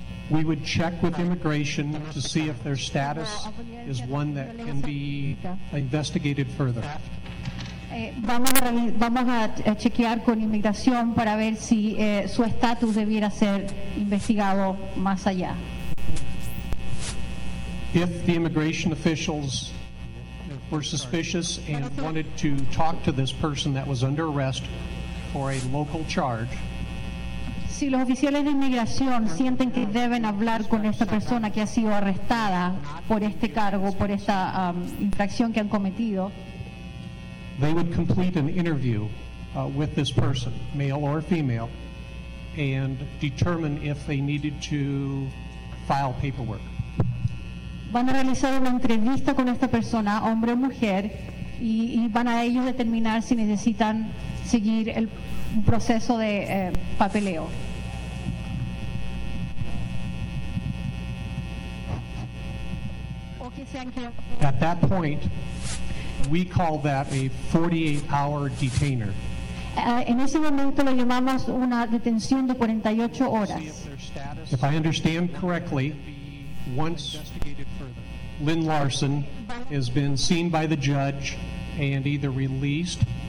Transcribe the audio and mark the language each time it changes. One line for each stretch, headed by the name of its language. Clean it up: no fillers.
English: we would check with immigration to see if their status is one that can be investigated further.
Spanish: Vamos a chequear con inmigración para ver si su estatus debiera ser investigado más allá.
English: If the immigration officials were suspicious and wanted to talk to this person that was under arrest for a local charge,
Spanish: si los oficiales de inmigración sienten que deben hablar con esta persona que ha sido arrestada por este cargo, por esta infracción que han cometido,
English: they would complete an interview with this person, male or female, and determine if they needed to file paperwork.
Spanish: Van a realizar una entrevista con esta persona, hombre o mujer, y van a ellos determinar si necesitan seguir el proceso de papeleo.
English: At that point, we call that a 48-hour detainer.
Spanish: En ese momento lo llamamos una detención de 48 horas.
English: If I understand correctly, once Lynn Larson has been seen by the judge and either released.